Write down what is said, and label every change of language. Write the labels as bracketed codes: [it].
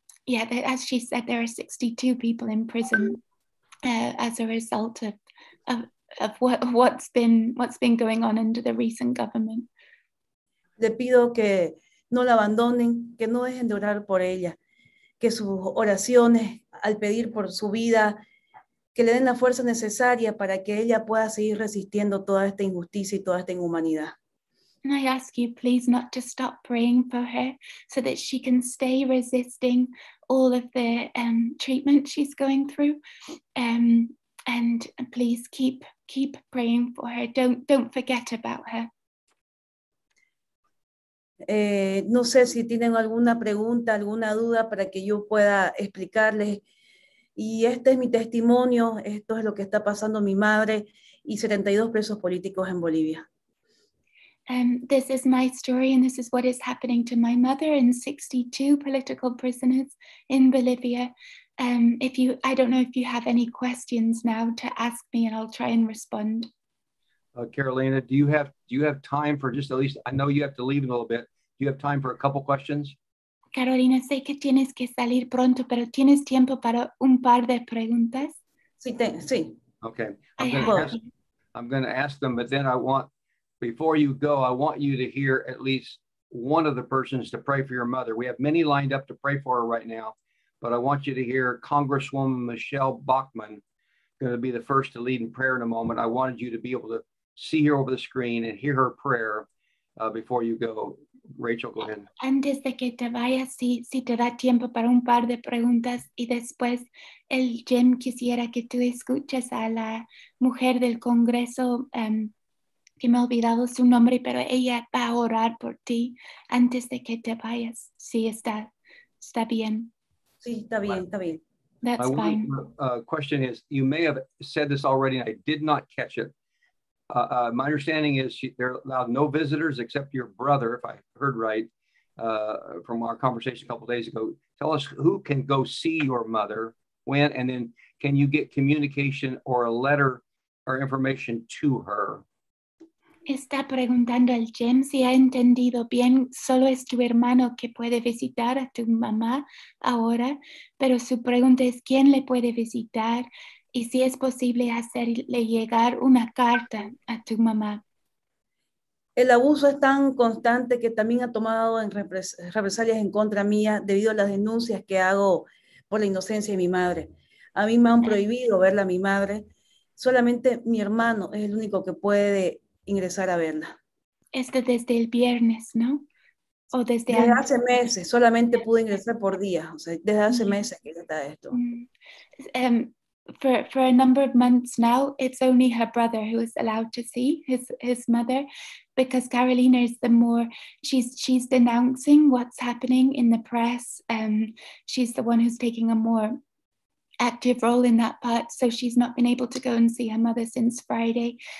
[en] As she said, there are 62 people in prison as a result of what's been going on under the recent government. [es] Le pido que no la abandonen, que no dejen de orar por ella, que sus oraciones al pedir por su vida, que le den la fuerza necesaria para que ella pueda seguir resistiendo toda esta injusticia y toda esta inhumanidad. [en] And I ask you, please, not to stop praying for her so that she can stay resisting all of the treatment she's going through. And please keep praying for her. Don't forget about her. [es] No sé si tienen alguna pregunta, alguna duda para que yo pueda explicarles. Y este es mi testimonio. Esto es lo que está pasando mi madre y 72 presos políticos en Bolivia. [en] This is my story, and this is what is happening to my mother and 62 political prisoners in Bolivia. I don't know if you have any questions now to ask me, and I'll try and respond. Carolina, do you have time for just at least, I know you have to leave in a little bit. Do you have time for a couple questions? [es] Carolina, sé que tienes que salir pronto, pero ¿tienes tiempo para un par de preguntas? Sí. [en] Okay. I'm going to ask them, but then I want, before you go, I want you to hear at least one of the persons to pray for your mother. We have many lined up to pray for her right now, but I want you to hear Congresswoman Michelle Bachmann, going to be the first to lead in prayer in a moment. I wanted you to be able to see her over the screen and hear her prayer before you go. Rachel, go ahead. [es] Antes de que te vayas, si te da tiempo para un par de preguntas, y después el Jim quisiera que tú escuches a la mujer del Congreso, que me he olvidado su nombre, pero ella va a orar por ti antes de que te vayas. Sí, está bien. Sí, está bien, está bien. [en] That's fine. Question is, you may have said this already, and I did not catch it. My understanding is they're allowed no visitors except your brother, if I heard right, from our conversation a couple of days ago. Tell us who can go see your mother, when, and then can you get communication or a letter or information to her? [es] Está preguntando el Jim si ha entendido bien, solo es tu hermano que puede visitar a tu mamá ahora, pero su pregunta es quién le puede visitar y si es posible hacerle llegar una carta a tu mamá. El abuso es tan constante que también ha tomado en represalias en contra mía debido a las denuncias que hago por la inocencia de mi madre. A mí me han prohibido verla a mi madre, solamente mi hermano es el único que puede ingresar a verla. Este desde el viernes, ¿no? O desde antes. Hace meses, solamente pude ingresar por día, o sea, desde hace meses que está esto. [en] For a number of months now, it's only her brother who is allowed to see his mother, because Carolina is the more, she's denouncing what's happening in the press, she's the one who's taking a more active role in that part, so she's not been able to go and see her mother since Friday.